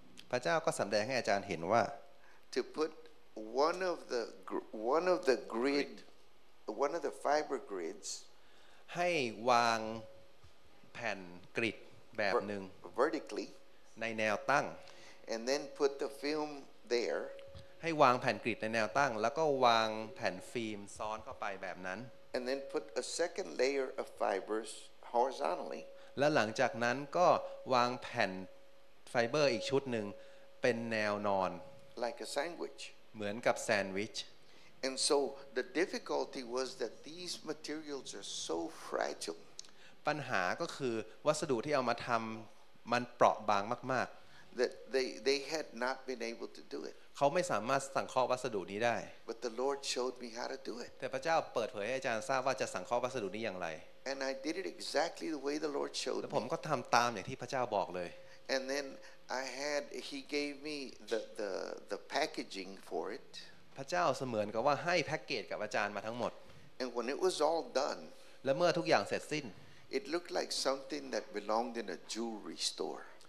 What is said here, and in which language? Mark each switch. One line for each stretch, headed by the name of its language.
Thai: พระเจ้าก็สำแดงให้อาจารย์เห็นว่า
English: to put one of the grid one of the fiber grids
Thai: ให้วางแผ่นกริดแบบนึง
English: vertically
Thai: ในแนวตั้ง
English: and then put the film there
Thai: ให้วางแผ่นกริดในแนวตั้งแล้วก็วางแผ่นฟิล์มซ้อนเข้าไปแบบนั้น
English: and then put a second layer of fibers horizontally
Thai: และหลังจากนั้นก็วางแผ่นไฟเบอร์อีกชุดหนึ่งเป็นแนวนอน
English: like a sandwich
Thai: เหมือนกับแซนด์วิช
English: and so the difficulty was that these materials are so fragile
Thai: ปัญหาก็คือวัสดุที่เอามาทำมันเปราะบางมากๆ
English: that they had not been able to do it
Thai: เขาไม่สามารถสังเคราะห์วัสดุนี้ได้
English: but the Lord showed me how to do it
Thai: แต่พระเจ้าเปิดเผยให้อาจารย์ทราบว่าจะสังเคราะห์วัสดุนี้อย่างไร
English: And I did it exactly the way the Lord showed me.
Thai: ผมก็ทำตามอย่างที่พระเจ้าบอกเลย
English: And then He gave me the packaging for it.
Thai: พระเจ้าเสมือนกับว่าให้แพ็กเกจกับอาจารย์มาทั้งหมด
English: And when it was all done,
Thai: และเมื่อทุกอย่างเสร็จสิ้น
English: it looked like something that belonged in a jewelry store.